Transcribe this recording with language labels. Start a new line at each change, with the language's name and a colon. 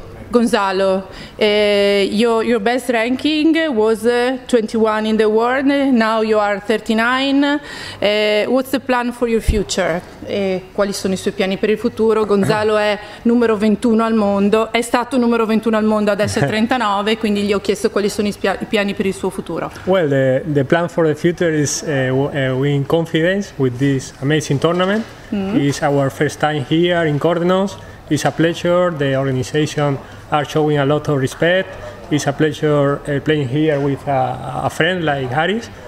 English: Gonzalo, your best ranking was 21 in the world, now you are 39. What's the plan for your future?
Italian: Quali sono i suoi piani per il futuro? Gonzalo è numero 21 al mondo, è stato numero 21 al mondo, adesso è 39, quindi gli ho chiesto quali sono i piani per il suo futuro.
English: Well, the plan for the future is win confidence with this amazing tournament. It's our first time here in Cordenons. It's a pleasure, the organization are showing a lot of respect. It's a pleasure playing here with a friend like Aris.